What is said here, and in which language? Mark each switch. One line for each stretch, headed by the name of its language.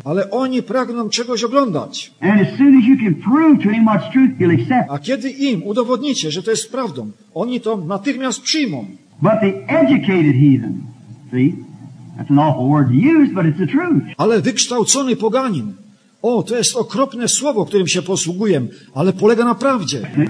Polish: Ale oni pragną czegoś oglądać.
English: And as soon as you can prove to him what's truth, he'll accept.
Polish: A kiedy im udowodnicie, że to jest prawdą, oni to natychmiast przyjmą.
English: But the educated heathen, see, that's an awful word to use, but it's the truth.
Polish: Ale wykształcony poganin. O, to jest okropne słowo, którym się posługuję, ale polega na prawdzie.